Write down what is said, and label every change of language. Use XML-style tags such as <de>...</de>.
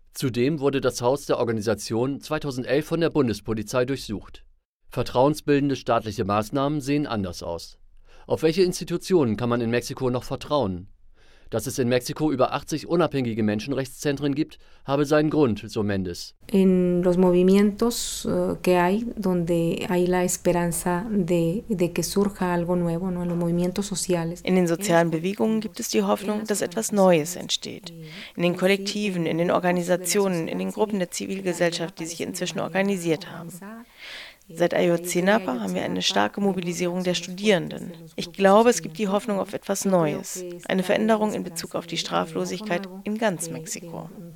<de>Zudem wurde das Haus der Organisation 2011 von der Bundespolizei durchsucht. Vertrauensbildende staatliche Maßnahmen sehen anders aus. Auf welche Institutionen kann man in Mexiko noch vertrauen? Dass es in Mexiko über 80 unabhängige Menschenrechtszentren gibt, habe seinen Grund, so Mendes.</de> <es>In los movimientos que hay, donde hay la esperanza de que surja algo nuevo, no, en los movimientos sociales.</es> <de>In den sozialen Bewegungen gibt es die Hoffnung, dass etwas Neues entsteht. In den Kollektiven, in den Organisationen, in den Gruppen der Zivilgesellschaft, die sich inzwischen organisiert haben. Seit Ayotzinapa haben wir eine starke Mobilisierung der Studierenden. Ich glaube, es gibt die Hoffnung auf etwas Neues, eine Veränderung in Bezug auf die Straflosigkeit in ganz Mexiko.</de>